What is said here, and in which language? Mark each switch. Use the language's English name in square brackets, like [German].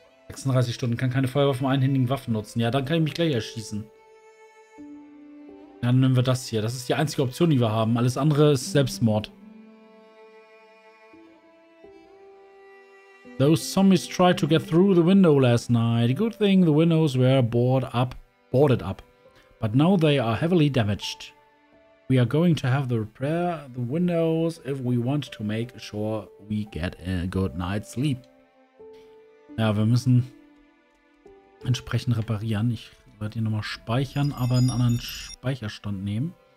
[German] 36 Stunden, kann keine Feuerwaffen, einhändigen Waffen nutzen. Ja, dann kann ich mich gleich erschießen. Dann nehmen wir das hier. Das ist die einzige Option, die wir haben. Alles andere ist Selbstmord. [English] Those zombies tried to get through the window last night. Good thing the windows were boarded up. But now they are heavily damaged. We are going to have to repair the windows if we want to make sure we get a good night's sleep. [German] Ja, wir müssen entsprechend reparieren. Ich werde hier nochmal speichern, aber einen anderen Speicherstand nehmen.